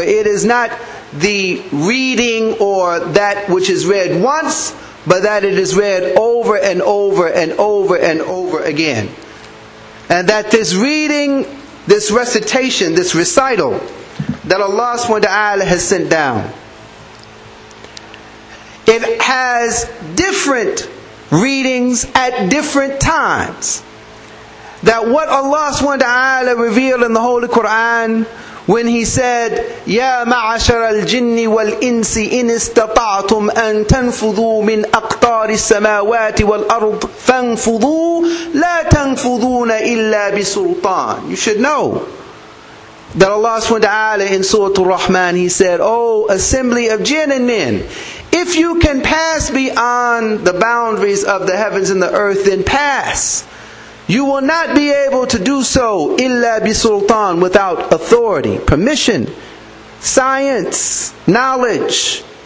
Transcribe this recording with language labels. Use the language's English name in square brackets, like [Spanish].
[English] It is not the reading or that which is read once, but that it is read over and over and over and over again. And that this reading, this recitation, this recital that Allah subhanahu wa ta'ala has sent down, it has different readings at different times. That what Allah subhanahu wa ta'ala revealed in the Holy Quran when He said, [Arabic] يَا مَعَشَرَ الْجِنِّ وَالْإِنسِ إِنِ اسْتَطَعْتُمْ أَن تَنْفُذُوا مِنْ أَقْطَارِ السَّمَاوَاتِ وَالْأَرْضِ فَانْفُذُوا لَا تَنْفُذُونَ إِلَّا بِسُلْطَانِ. [English] You should know that Allah SWT in Surah Al-Rahman, He said, O assembly of jinn and men, if you can pass beyond the boundaries of the heavens and the earth, then pass. You will not be able to do so, [Arabic] illa bi sultan, [English] without authority, permission, science, knowledge.